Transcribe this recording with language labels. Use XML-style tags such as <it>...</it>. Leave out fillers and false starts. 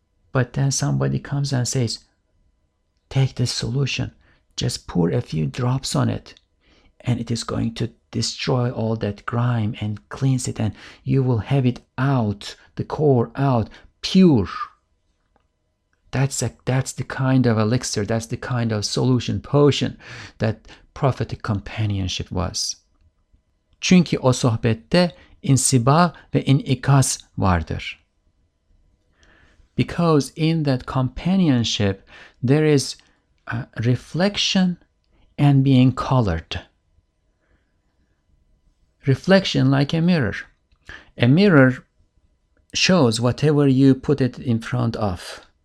<en>But then somebody comes and says, take this solution, just pour a few drops on it, and it is going to destroy all that grime and cleanse it, and you will have it out, the core out, pure. That's the kind of elixir, that's the kind of solution, potion, that prophetic companionship was.</en> <tr>Çünkü o sohbette insiba ve inikas vardır.</tr> <en>Because in that companionship, there is reflection and being colored. Reflection like a mirror. A mirror shows whatever you put it in front of.</en>